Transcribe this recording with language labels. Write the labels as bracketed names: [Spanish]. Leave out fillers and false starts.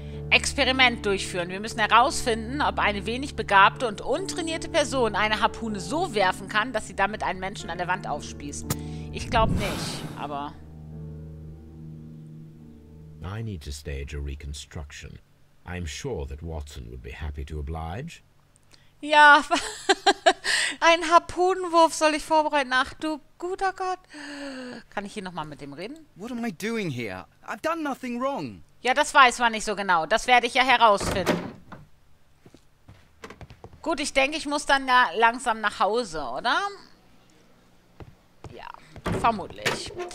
[German] Experiment durchführen. Wir müssen herausfinden, ob eine wenig begabte und untrainierte Person eine Harpune so werfen kann, dass sie damit einen Menschen an der Wand aufspießt. Ich glaube nicht, aber... [English] I need to stage a reconstruction. I'm sure that Watson would be happy to oblige. [German] Ja, einen Harpunenwurf soll ich vorbereiten. Ach du guter Gott. Kann ich hier nochmal mit dem reden? [English] What am I doing here? I've done nothing wrong. [German] Ja, das weiß man nicht so genau. Das werde ich ja herausfinden. Gut, ich denke, ich muss dann ja langsam nach Hause, oder? Ja, vermutlich.